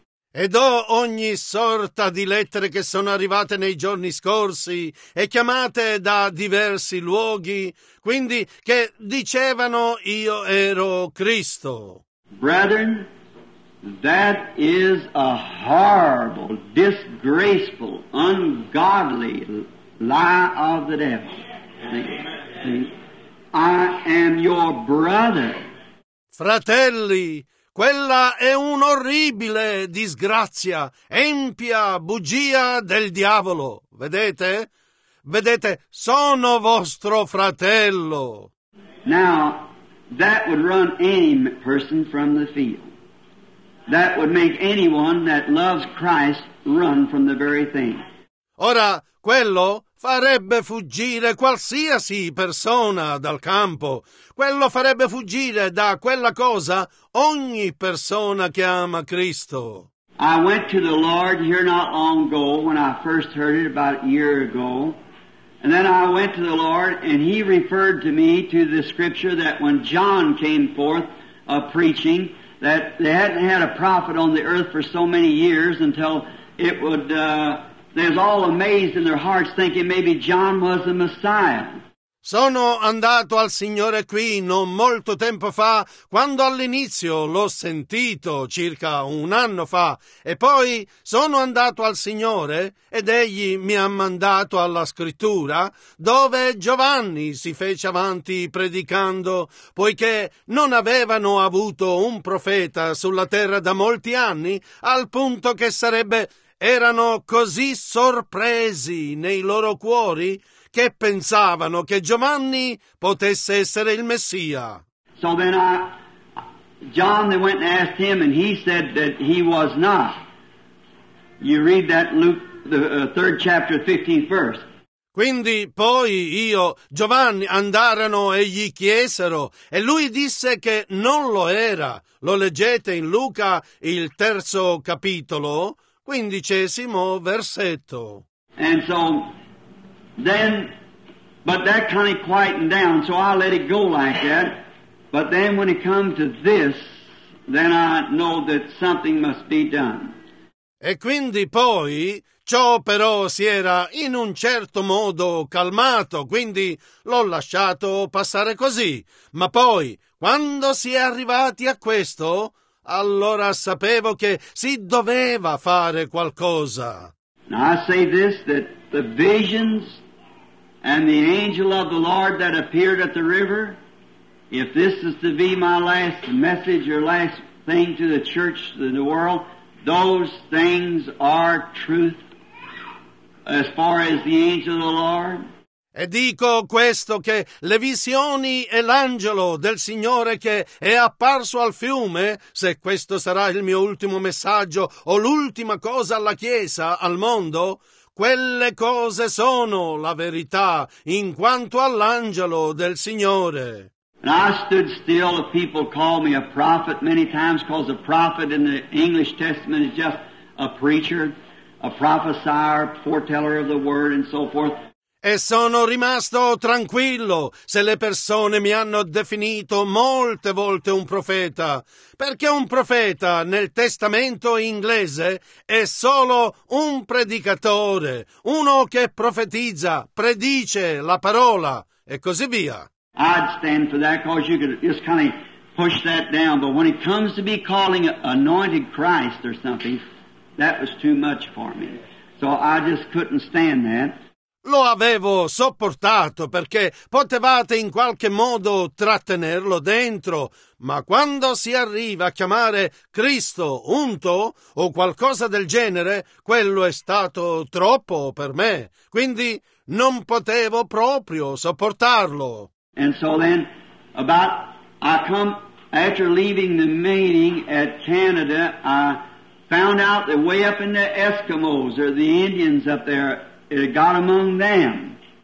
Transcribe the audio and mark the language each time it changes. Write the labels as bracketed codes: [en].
[it] Ed ho ogni sorta di lettere che sono arrivate nei giorni scorsi e chiamate da diversi luoghi, quindi che dicevano io ero Cristo. [en] Brethren, that is a horrible, disgraceful, ungodly lie of the devil. I am your brother. [it] Fratelli, quella è un'orribile disgrazia, empia bugia del diavolo. Vedete? Vedete, sono vostro fratello. [en] Now, that would run any person from the field. That would make anyone that loves Christ run from the very thing. [it] Ora, quello farebbe fuggire qualsiasi persona dal campo. Quello farebbe fuggire da quella cosa ogni persona che ama Cristo. [en] I went to the Lord here not long ago when I first heard it about a year ago. And then I went to the Lord and he referred to me to the scripture that when John came forth of preaching, that they hadn't had a prophet on the earth for so many years until it would... They're all amazed in their hearts thinking maybe John was the Messiah. [it] Sono andato al Signore qui non molto tempo fa, quando all'inizio l'ho sentito, circa un anno fa, e poi sono andato al Signore ed egli mi ha mandato alla Scrittura, dove Giovanni si fece avanti predicando, poiché non avevano avuto un profeta sulla terra da molti anni, al punto che sarebbe... Erano così sorpresi nei loro cuori che pensavano che Giovanni potesse essere il Messia. [en] So then John, they went and asked him, and he said that he was not. You read that Luke, the third chapter, 15th verse. [it] Quindi poi io, Giovanni, andarono e gli chiesero, e lui disse che non lo era. Lo leggete in Luca, il terzo capitolo, quindicesimo versetto. [en] And so then, but that kind of quietened down, so I let it go like that. But then when it come to this, then I know that something must be done. [it] E quindi poi ciò però si era in un certo modo calmato, quindi l'ho lasciato passare così. Ma poi, quando si è arrivati a questo, allora sapevo che si doveva fare qualcosa. [en] Now I say this, that the visions and the angel of the Lord that appeared at the river, if this is to be my last message or last thing to the church, to the world, those things are truth as far as the angel of the Lord. [it] E dico questo, che le visioni e l'angelo del Signore che è apparso al fiume, se questo sarà il mio ultimo messaggio o l'ultima cosa alla Chiesa, al mondo, quelle cose sono la verità in quanto all'angelo del Signore. [en] And I stood still if people call me a prophet many times, because a prophet in the English Testament is just a preacher, a prophesier, foreteller of the word and so forth. [it] E sono rimasto tranquillo se le persone mi hanno definito molte volte un profeta, perché un profeta nel testamento inglese è solo un predicatore, uno che profetizza, predice la parola e così via. [en] I'd stand for that because you could just kind of push that down, but when it comes to be calling anointed Christ or something, that was too much for me. So I just couldn't stand that. [it] Lo avevo sopportato perché potevate in qualche modo trattenerlo dentro, ma quando si arriva a chiamare Cristo unto o qualcosa del genere, quello è stato troppo per me, quindi non potevo proprio sopportarlo. [en] And so then, about, I come, after leaving the meeting at Canada, I found out that way up in the Eskimos, or the Indians up there, it got among them.